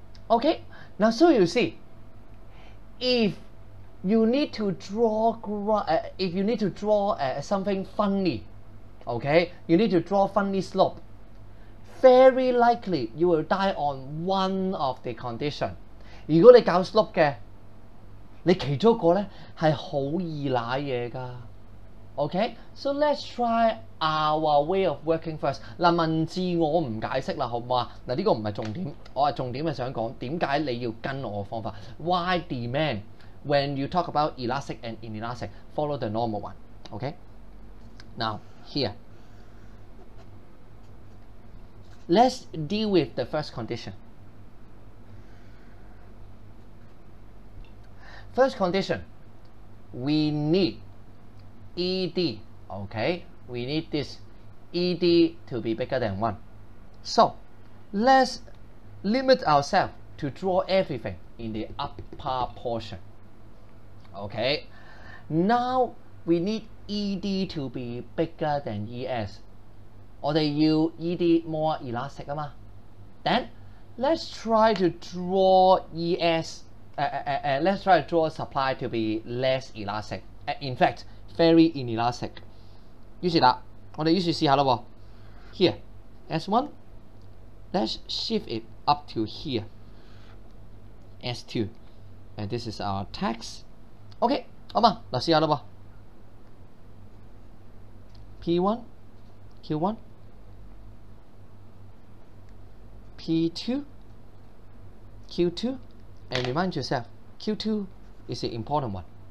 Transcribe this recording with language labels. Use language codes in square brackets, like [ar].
[en] Okay, now so you see, If you need to draw funny slope, very likely you will die on one of the condition. [yue] 如果你搞 slope 嘅，你其中一個咧係好易賴嘢噶。 [en] Okay, so let's try our way of working first. [yue] 嗱，文字我唔解釋啦，好唔好啊？嗱， 這個唔係重點， 我係重點係想講點解你要跟我嘅方法。 [en] Why demand when you talk about elastic and inelastic, follow the normal one. Okay, now here, let's deal with the first condition. First condition, we need ED, okay, we need this ED to be bigger than one. So let's limit ourselves to draw everything in the upper portion. Okay, now we need ED to be bigger than ES. [yue] 我們要 [en] ED more elastic 嘛。Then let's try to draw ES, let's try to draw supply to be less elastic. In fact, very inelastic. [yue] 於是啦, 我們於是試一下咯。 [en] Here, S1, let's shift it up to here. S2, and this is our tax. [yue] OK, 好嘛, 試一下咯。 [en] P1, Q1, P2, Q2, and remind yourself, Q2 is the important one.